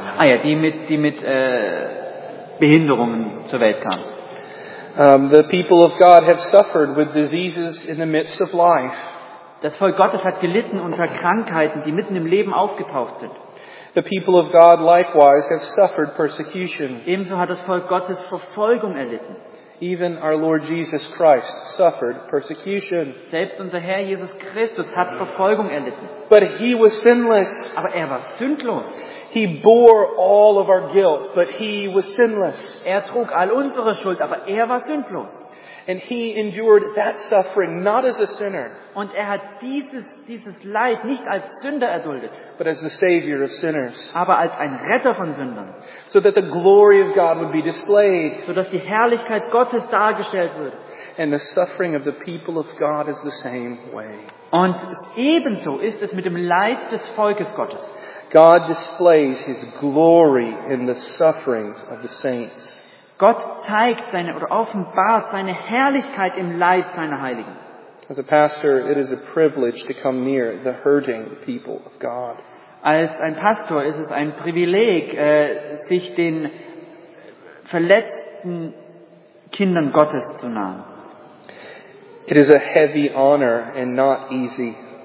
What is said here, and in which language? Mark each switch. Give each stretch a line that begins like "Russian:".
German: Ah ja, die mit Behinderungen zur Welt kamen.
English: The people of God have suffered with diseases in the midst of life.
German: Das Volk Gottes hat gelitten unter Krankheiten, die mitten im Leben aufgetaucht sind.
English: The people of God likewise have suffered persecution.
German: Ebenso hat das Volk Gottes Verfolgung erlitten.
English: Even our Lord Jesus Christ suffered persecution.
German: Selbst unser Herr Jesus Christus hat Verfolgung erlitten.
English: But he was sinless.
German: Aber er war sündlos.
English: He bore all of our guilt, but he was sinless.
German: Er trug all unsere Schuld, aber er war sündlos.
English: And he endured that suffering not as a sinner.
German: Und er hat dieses Leid nicht als Sünder erduldet.
English: But as the savior of sinners.
German: Aber als ein Retter von Sündern.
English: So that the glory of God would be displayed.
German: So dass die Herrlichkeit Gottes dargestellt wird.
English: And the suffering of the people of God is the same way.
German: Und ebenso ist es mit dem Leid des Volkes Gottes.
English: God displays his glory in the sufferings of the saints.
German: Gott zeigt seine oder offenbart seine Herrlichkeit im Leid seiner Heiligen.
English: As a pastor, it is a privilege to come near the hurting people of God.
German: Als ein Pastor ist es ein Privileg, sich den verletzten Kindern Gottes zu nahen.
English: It is a heavy honor and not easy.